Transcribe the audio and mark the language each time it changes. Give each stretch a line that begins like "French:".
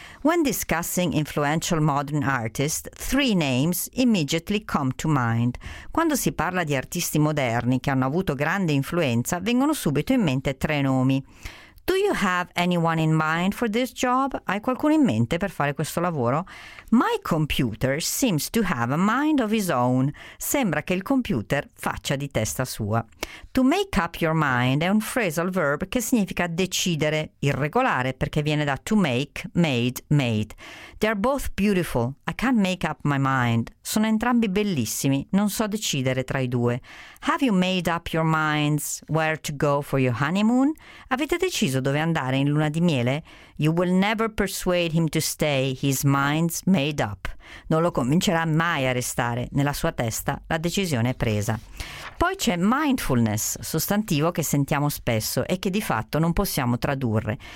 English: When discussing influential modern artists, three names immediately come to mind.
Italian: Quando si parla di artisti moderni che hanno avuto grande influenza, vengono subito in mente tre nomi.
English: Do you have anyone in mind for this job?
Italian: Hai qualcuno in mente per fare questo lavoro?
English: My computer seems to have a mind of his own.
Italian: Sembra che il computer faccia di testa sua.
English: To make up your mind
Italian: è un phrasal verb che significa decidere, irregolare, perché viene da
English: to make, made, made. They are both beautiful. I can't make up my mind.
Italian: Sono entrambi bellissimi. Non so decidere tra i due.
English: Have you made up your minds where to go for your honeymoon?
Italian: Avete deciso dove andare in luna di miele?
English: You will never persuade him to stay, his mind's made up.
Italian: Non lo convincerà mai a restare, nella sua testa la decisione è presa. Poi c'è mindfulness, sostantivo che sentiamo spesso e che di fatto non possiamo tradurre.